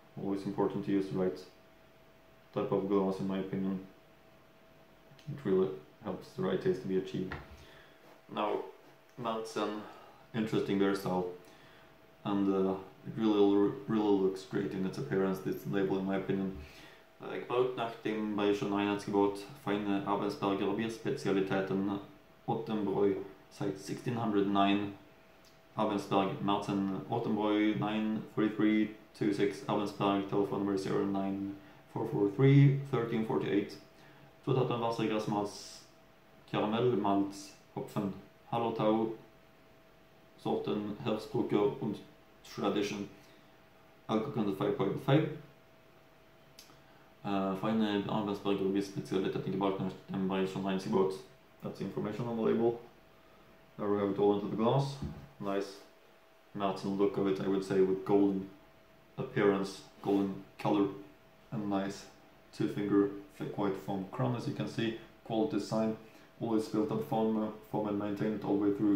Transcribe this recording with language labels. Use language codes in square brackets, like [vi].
[en] Always important to use the right type of glass, in my opinion. It really helps the right taste to be achieved. Now, that's an interesting bear style, and it really looks great in its appearance, this label, in my opinion. [de] Gebraut nach dem Bayerischen Einheitsgebot, feine Abensberger Bierspezialitäten, Ottenbräu seit 1609, Abensberg, Märzen, Ottenbräu 94326, Abensberg, [en] telephone number [de] 09443 1348, 2018 Wassergrasmalz, Karamellmalz, Hopfen, Hallertau, Sorten, Herzbrücke und Tradition, Alkoholkonto 5.5. Fine Abensberger Bierspezialitäten gebraut nach dem Bayerischen Einheitsgebot. [en] That's the information on the label. There we have it all into the glass. Nice Märzen look of it, I would say, with golden appearance, golden color, and nice two finger thick white foam crown, as you can see. Quality sign, always built up foam and maintain it all the way through.